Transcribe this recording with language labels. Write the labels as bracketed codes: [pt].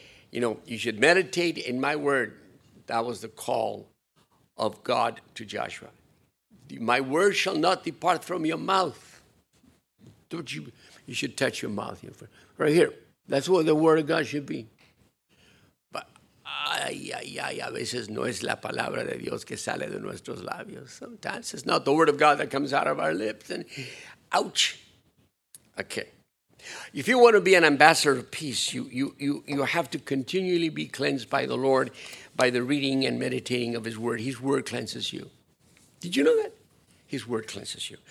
[en] You know, you should meditate in my word. That was the call of God to Joshua. My word shall not depart from your mouth. Don't you? You should touch your mouth here, right here. That's what the word of God should be. [es] But a veces no es la palabra de Dios que sale de nuestros labios. [en] Sometimes it's not the word of God that comes out of our lips. And ouch. Okay. If you want to be an ambassador of peace, you have to continually be cleansed by the Lord by the reading and meditating of His word. His word cleanses you. Did you know that? His word cleanses you.